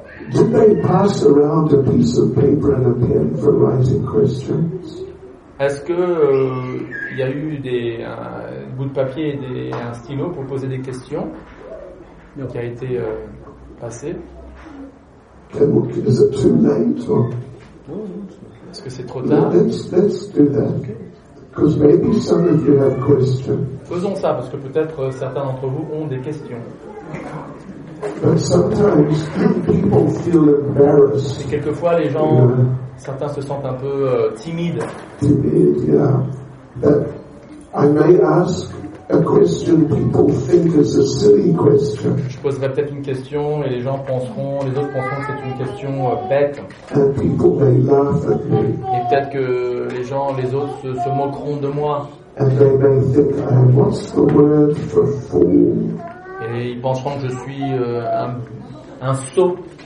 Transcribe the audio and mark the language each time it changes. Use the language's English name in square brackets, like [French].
[English] Did they pass around a piece of paper and a pen for writing questions? [French] Est-ce que il y a eu des bouts de papier et un stylo pour poser des questions qui a été passé? [English] Is it too late? Or? [French] Est-ce que c'est trop tard? [English] Let's do that. Because maybe some of you have questions. [French] Faisons ça parce que peut-être certains d'entre vous ont des questions. [English] But sometimes people feel embarrassed. [French] Et quelquefois les gens, certains se sentent un peu timides. Timide, [English] yeah. But I may ask a question people think is a silly question. [French] Je poserai peut-être une question et les autres penseront que c'est une question bête. [English] And people may laugh at me. [French] Et peut-être que les autres se moqueront de moi. [English] And they may think, what's the word for fool? [French] Et ils penseront que je suis un sot